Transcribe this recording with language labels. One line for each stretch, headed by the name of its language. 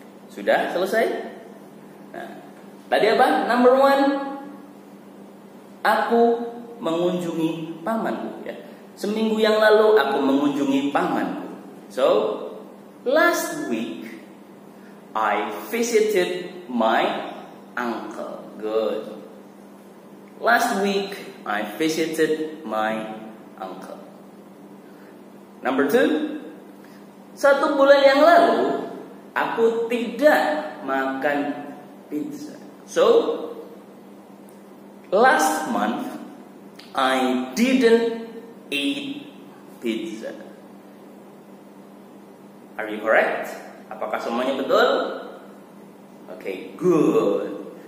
Indonesian: Sudah selesai? Nah, tadi apa?
English: Number one,
Indonesian: aku mengunjungi pamanku. Ya. Seminggu yang lalu aku mengunjungi pamanku.
English: So, last week I visited my uncle. Good. Last week I visited my uncle. Number two,
Indonesian: satu bulan yang lalu aku tidak makan pizza.
English: So, last month I didn't eat pizza. Are you correct?
Indonesian: Apakah semuanya betul?
English: Okay, good.